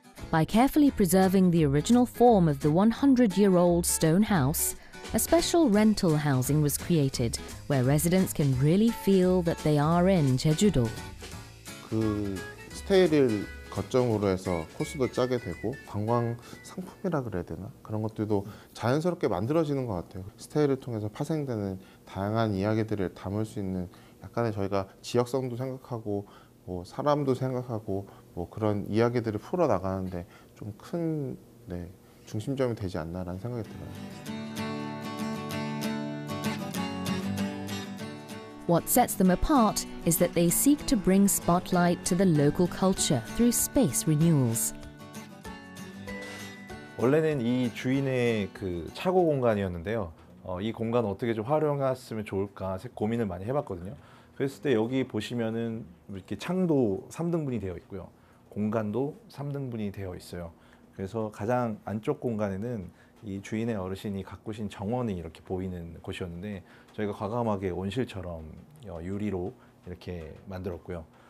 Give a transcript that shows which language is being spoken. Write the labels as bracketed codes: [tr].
[en] By carefully preserving the original form of the 100-year-old stone house, A special rental housing was created where residents can really feel that they are in Jeju-do. [ko] 그 스테이를 거점으로 해서 코스도 짜게 되고 관광 상품이라 그래야 되나? 그런 것들도 자연스럽게 만들어지는 것 같아요. 스테이를 통해서 파생되는 다양한 이야기들을 담을 수 있는 약간의 저희가 지역성도 생각하고 뭐 사람도 생각하고 뭐 그런 이야기들을 풀어 나가는데 좀 큰 네, 중심점이 되지 않나라는 생각이 들어요. [en] What sets them apart is that they seek to bring spotlight to the local culture through space renewals. [ko] 원래는 이 주인의 그 차고 공간이었는데요. 이 공간 어떻게 좀 활용했으면 좋을까 고민을 많이 해봤거든요. 그랬을 때 여기 보시면은 이렇게 창도 3등분이 되어 있고요. 공간도 3등분이 되어 있어요. 그래서 가장 안쪽 공간에는 이 주인의 어르신이 가꾸신 정원이 이렇게 보이는 곳이었는데 저희가 과감하게 온실처럼 유리로 이렇게 만들었고요.